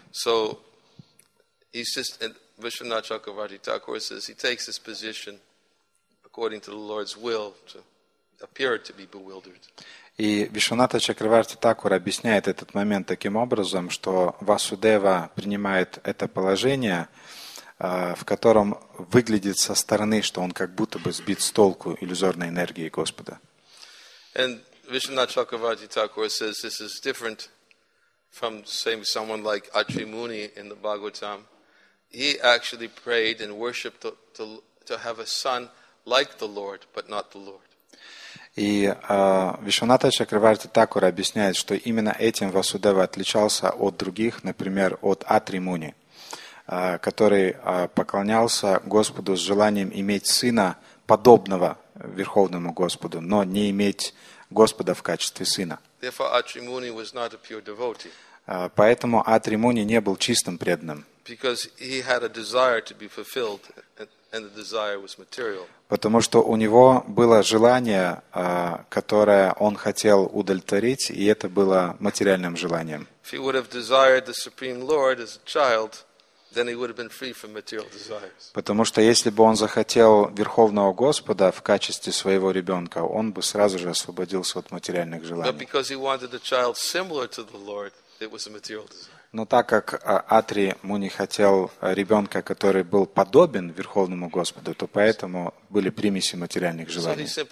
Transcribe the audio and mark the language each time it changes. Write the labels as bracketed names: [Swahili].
[English] So he's just, and Vishwanath Chakravarti Thakur says he takes this position according to the Lord's will to appear to be bewildered. [Russian] И Вишванатха Чакраварти Такур объясняет этот момент таким образом, что Васудева принимает это положение, в котором выглядит со стороны, что он как будто бы сбит с толку иллюзорной энергии Господа. [English] And Vishwanatha Chakravarti Thakur says this is different from saying someone like Atri Muni in the Bhagavatam. He actually prayed and worshipped to have a son like the Lord, but not the Lord. [Russian] И Вишванатха Чакраварти Такура объясняет, что именно этим Васудева отличался от других, например, от Атри Муни, который поклонялся Господу с желанием иметь сына, подобного Верховному Господу, но не иметь Господа в качестве сына. [English] Therefore, Atri Muni was not a pure devotee. [Russian] Поэтому Атри Муни не был чистым преданным. [English] Because he had a desire to be fulfilled, and the desire was material. [Russian] Потому что у него было желание, которое он хотел удовлетворить, и это было материальным желанием. [English] If he would have desired the Supreme Lord as a child, then he would have been free from material desires. [Russian] Потому что если бы он захотел Верховного Господа в качестве своего ребенка, он бы сразу же освободился от материальных желаний. [English] But because he wanted a child similar to the Lord, it was a material desire. [Russian] Но так как Атри Муни хотел ребенка, который был подобен Верховному Господу, то поэтому были примеси материальных желаний.